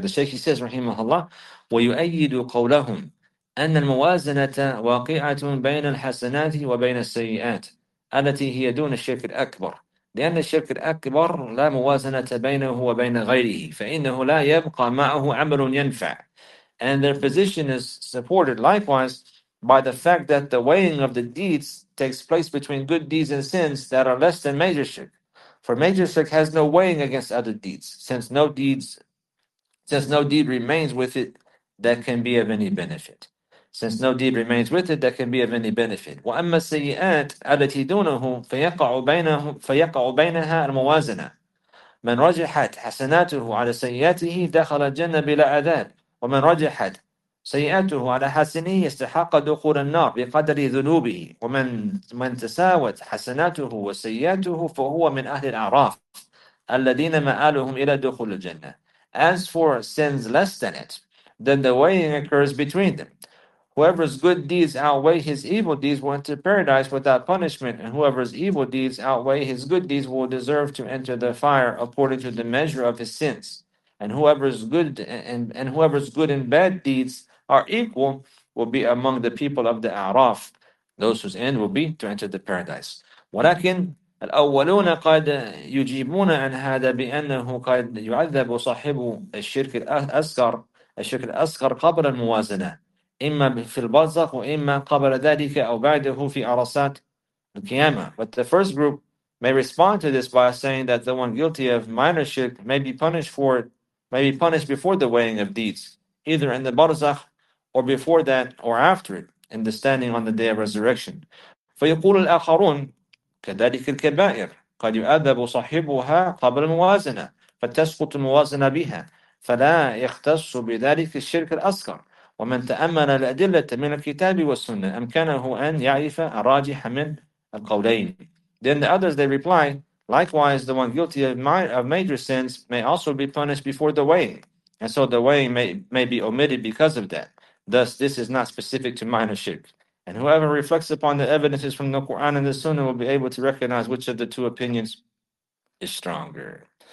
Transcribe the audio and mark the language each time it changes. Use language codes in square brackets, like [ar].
[ar] The Shaykh, he says, Rahimahullah, وَيُؤَيِّدُ قَوْلَهُمْ أَنَّ الْمُوَازَنَةَ وَاقِعَةٌ بَيْنَ الْحَسَنَاتِ وَبَيْنَ السَّيِّئَاتِ الَّتِي هِيَ دُونَ الشِّرْكِ الْأَكْبَرِ لِأَنَّ الشِّرْكَ الْأَكْبَرَ لَا مُوَازَنَةَ بَيْنَهُ وَبَيْنَ غَيْرِهِ فَإِنَّهُ لَا يَبْقَى مَعَهُ عَمَلٌ يَنْفَعُ. [en] And their position is supported likewise by the fact that the weighing of the deeds takes place between good deeds and sins that are less than major shirk. For major shirk has no weighing against other deeds, since no deed remains with it that can be of any benefit. Since no deed remains with it that can be of any benefit. [ar] وَأَمَّا السَّيِّئَاتِ أَلَتِي دُونَهُ فَيَقَعُ بَيْنَهَا الْمُوَازَنَةِ مَنْ رَجِحَتْ حَسَنَاتُهُ عَلَى سَيِّئَاتِهِ دَخَلَ الْجَنَّةَ بِلَا عَذَابٍ وَمَنْ رَجِحَتْ سيئاته على حسنه استحق دخول النار بقدر ذنوبه ومن تساوت حسناته وسيئاته فهو من أهل الأعراف الذين مآلهم إلى دخول الجنة. [en] As for sins less than it, then the weighing occurs between them. Whoever's good deeds outweigh his evil deeds will enter paradise without punishment, and whoever's evil deeds outweigh his good deeds will deserve to enter the fire according to the measure of his sins. And whoever's good and bad deeds are equal will be among the people of the A'raf, those whose end will be to enter the paradise. [ar] ولكن الأولون قد يجيبون عن هذا بأنه قد يعذب صاحب الشرك الأصغر قبل الموازنة إما في البرزخ وإما قبل ذلك أو بعده في عرصات القيامة. [en] But the first group may respond to this by saying that the one guilty of minor shirk may be punished for it, may be punished before the weighing of deeds, either in the barzakh or before that or after it, in the standing on the day of resurrection. [ar] فيقول الآخرون كذلك الكبائر قد يؤدب صاحبها قبل الموازنة فتسقط الموازنة بها فلا يختص بذلك الشرك الأصغر ومن تأمل الأدلة من الكتاب والسنة أمكنه أن يعرف الراجح من القولين. [en] Then the others, they reply, likewise, the one guilty of major sins may also be punished before the weighing, and so the weighing may be omitted because of that. Thus, this is not specific to minor shirk. And whoever reflects upon the evidences from the Quran and the Sunnah will be able to recognize which of the two opinions is stronger.